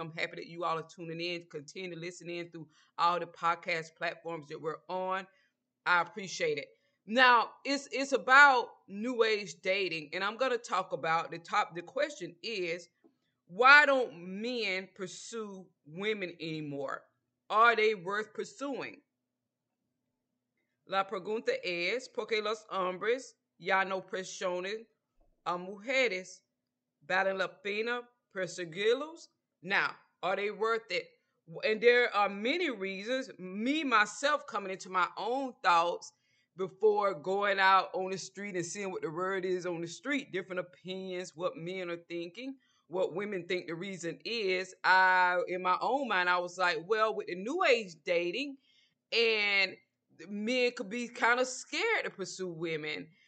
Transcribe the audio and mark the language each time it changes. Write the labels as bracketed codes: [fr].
[en] I'm happy that you all are tuning in, continue to listen in through all the podcast platforms that we're on. I appreciate it. Now, it's about new age dating, and I'm going to talk about the question is, why don't men pursue women anymore? Are they worth pursuing? [es] La pregunta es, ¿por qué los hombres ya no presionan a mujeres? ¿Valen la pena perseguirlos? [en] Now, are they worth it? And there are many reasons, me, myself, coming into my own thoughts, before going out on the street and seeing what the word is on the street, different opinions, what men are thinking, what women think the reason is. In my own mind, I was like, well, with the new age dating, and men could be kind of scared to pursue women.